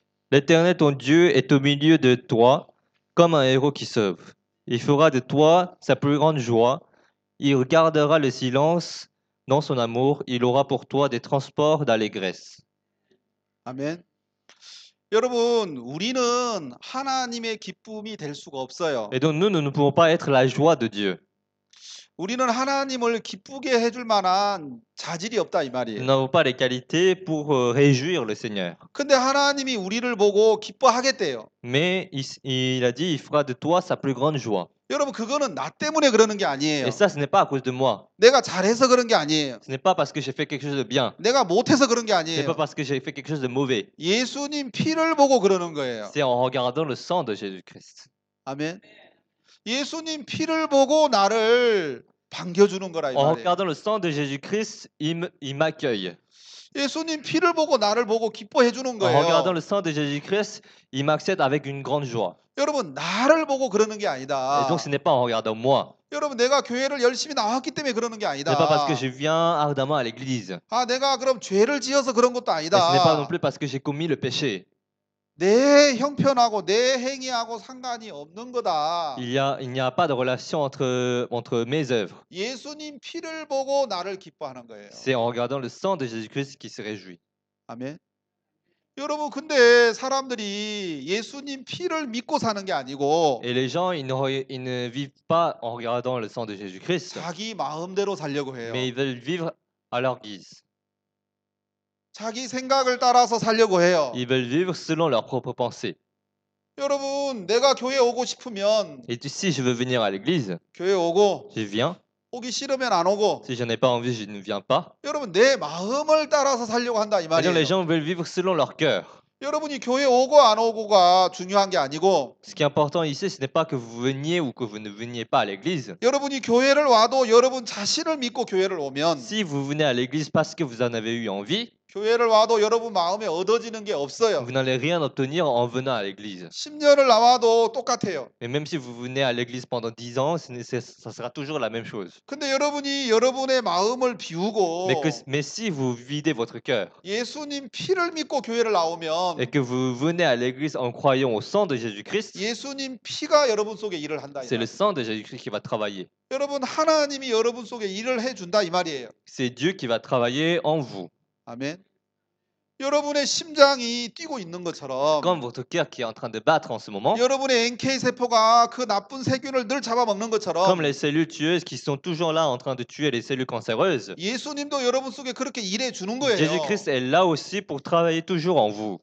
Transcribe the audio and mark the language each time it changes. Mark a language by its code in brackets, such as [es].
[fr] L'Éternel ton Dieu est au milieu de toi comme un héros qui sauve. Il fera de toi sa plus grande joie. Il gardera le silence dans son amour. Il aura pour toi des transports d'allégresse. [ko] 아멘. 여러분, 우리는 하나님의 기쁨이 될 수가 없어요. [fr] Et donc nous ne pouvons pas être la joie de Dieu. [ko] 우리는 하나님을 기쁘게 해줄 만한 자질이 없다 이 [fr] Nous [ko] 말이에요. [fr] n'avons pas les qualités pour réjouir le Seigneur. [ko] 근데 하나님이 우리를 보고 기뻐하겠대요. [fr] Mais il a dit, il fera de toi sa plus grande joie. [ko] 여러분, 그거는 나 때문에 그러는 게 아니에요. [fr] ça, ce n'est pas à cause de moi. [ko] 내가 잘해서 그런 게 아니에요. [fr] Ce n'est pas parce que j'ai fait quelque chose de bien. [ko] 내가 못해서 그런 게 [fr] Ce n'est pas parce que j'ai fait quelque chose de mauvais. [ko] 예수님 피를 보고 그러는 거예요. [fr] C'est en regardant le sang de Jésus-Christ. [ko] 아멘. 예수님 피를 보고 나를 반겨주는 거라 이 [fr] En [ko] 말이에요. [fr] regardant le sang de Jésus-Christ, il m'accueille. [ko] 예수님 피를 보고 나를 보고 기뻐해 주는 [fr] En regardant [ko] 거예요. [fr] le sang de Jésus-Christ, il m'accepte avec une grande joie. [ko] 여러분 나를 보고 그러는 게 [fr] Et donc, ce [ko] 아니다. [fr] n'est pas en regardant moi. [ko] 여러분 내가 교회를 열심히 나왔기 때문에 그러는 게 [fr] Ce n'est pas parce que [ko] 아니다. [fr] je viens ardemment à l'église. [ko] 아 내가 그럼 죄를 지어서 그런 것도 [fr] Et ce n'est pas non plus parce que j'ai commis le péché. [ko] 내 형편하고 내 행위하고 상관이 없는 거다. [fr] Il n'y a pas de relation entre mes œuvres. [ko] 예수님 피를 보고 나를 기뻐하는 거예요. [fr] C'est en regardant le sang de Jésus-Christ qu'il se réjouit. [ko] 아멘. 여러분 근데 사람들이 예수님 피를 믿고 사는 게 아니고 [fr] Et les gens, ils ne vivent pas en regardant le sang de Jésus-Christ, [ko] 자기 마음대로 살려고 [fr] mais ils veulent vivre à leur guise. [ko] 자기 생각을 따라서 살려고 해요. [fr] Ils veulent vivre selon leurs propres pensées. [ko] 여러분, 내가 교회 오고 싶으면 [fr] Et si je veux venir à l'église, [ko] 교회 오고 [fr] je viens. [ko] 오기 싫으면 안 오고. [fr] Si je n'ai pas envie, je ne viens pas. [ko] 여러분, 내 마음을 따라서 살려고 한다 이 [fr] C'est-à-dire, les [ko] 말이에요. [fr] gens veulent vivre selon leur cœur. [ko] 여러분이 교회 오고 안 오고가 중요한 게 아니고 [fr] Ce qui est important ici, ce n'est pas que vous veniez ou que vous ne veniez pas à l'église. [ko] 여러분이 교회를 와도 여러분 자신을 믿고 교회를 오면 [fr] Si vous venez à l'église parce que vous en avez eu envie, [ko] 교회를 와도 여러분 마음에 얻어지는 게 없어요. [fr] vous n'allez rien obtenir en venant à l'église. [ko] 10년을 나와도 똑같아요. [fr] Et même si vous venez à l'église pendant 10 ans, ça sera toujours la même chose. [ko] 근데 여러분이 여러분의 마음을 비우고 [fr] mais si vous videz votre cœur, [ko] 예수님 피를 믿고 교회를 나오면 [fr] et que vous venez à l'église en croyant au sang de Jésus-Christ, [ko] 예수님 피가 여러분 속에 일을 한다. [fr] c'est le sang de Jésus-Christ qui va travailler. [ko] 여러분 하나님이 여러분 속에 일을 해준다 이 말이에요. [fr] c'est Dieu qui va travailler en vous. [ko] 아멘. 여러분의 심장이 뛰고 있는 것처럼 [fr] Comme votre cœur qui est en train de battre en ce moment, [ko] 여러분의 NK 세포가 그 나쁜 세균을 늘 잡아먹는 것처럼 [fr] Comme les cellules tueuses qui sont toujours là en train de tuer les cellules cancéreuses, [ko] 예수님도 여러분 속에 그렇게 일해 주는 거예요. [fr] Jésus-Christ est là aussi pour travailler toujours en vous.